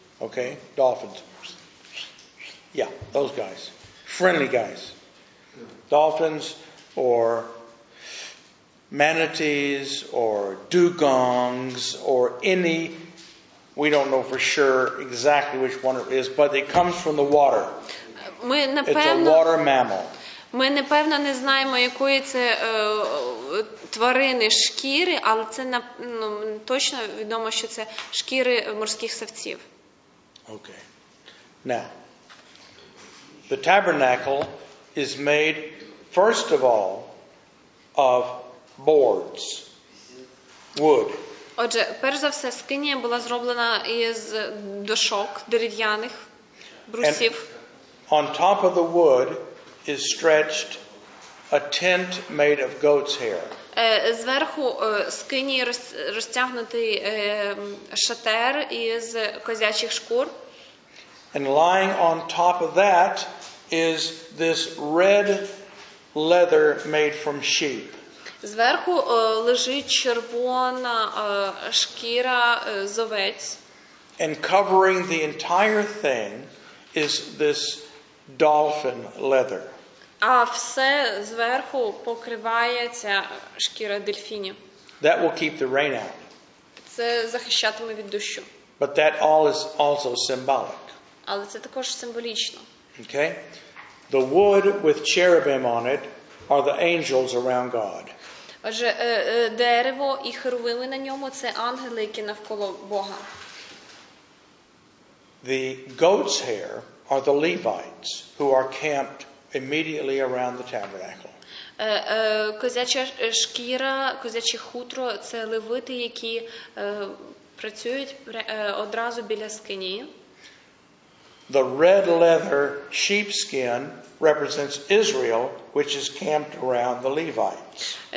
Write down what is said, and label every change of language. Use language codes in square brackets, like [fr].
[en] Okay, dolphins. Yeah, those guys. Friendly guys. Dolphins or manatees or dugongs or any. We don't know for sure exactly which one it is, but it comes from the water. It's a water mammal. [uk] Ми напевно не знаємо, якої це тварини шкіри, але це точно відомо, що це шкіри морських савців. [en] Okay. Now, the tabernacle is made first of all of boards, wood. [uk] Отже, перш за все, скинія була зроблена із дошок дерев'яних брусів. [en] On top of the wood is stretched a tent made of goat's hair. [uk] Зверху скинії розтягнутий шатер із козячих шкур. [en] And lying on top of that is this red leather made from sheep. [uk] Зверху лежить червона шкіра з овець. [en] And covering the entire thing is this dolphin leather. [uk] А все зверху покривається шкіра дельфінів. [en] That will keep the rain out. [uk] Це захищатиме від дощу. [en] But that all is also symbolic. [uk] Але це також символічно. [en] Okay? The wood with cherubim on it are the angels around God. [uk] Отже, дерево і херовими на ньому – це ангели, які навколо Бога. [en] The goat's hair are the Levites who are camped immediately around the tabernacle. [uk] Козяча шкіра, козяче хутро – це левити, які працюють одразу біля скині. [en] The red leather sheepskin represents Israel, which is camped around the Levites.